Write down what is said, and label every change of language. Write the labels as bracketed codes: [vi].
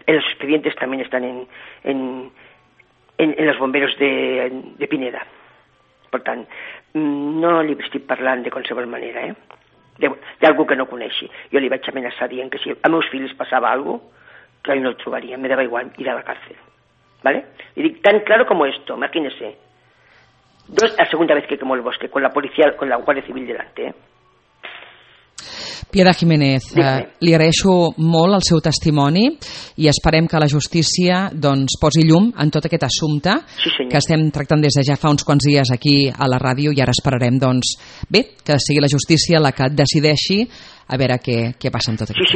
[es] Els expedientes también están en los bomberos de Pineda. [ca] Per tant, no li estic parlant de qualsevol manera, d'algú que no coneixi. Jo li vaig amenaçar dient que si a meus fills passava algo, que ell no el trobaria, me deba igual ir a la cárcel, ¿vale? [es] I dic, tan claro como esto, imagínese. Dos, la segunda vez que quemó el bosque, con la policía, con la Guardia Civil delante, [ca] Piedad Jiménez, li agraeixo molt el seu testimoni i esperem que la justícia doncs posi llum en tot aquest assumpte, sí, que estem tractant des de ja fa uns quants dies aquí a la ràdio, i ara esperarem doncs bé que sigui la justícia la que decideixi a veure què passa amb tot aquest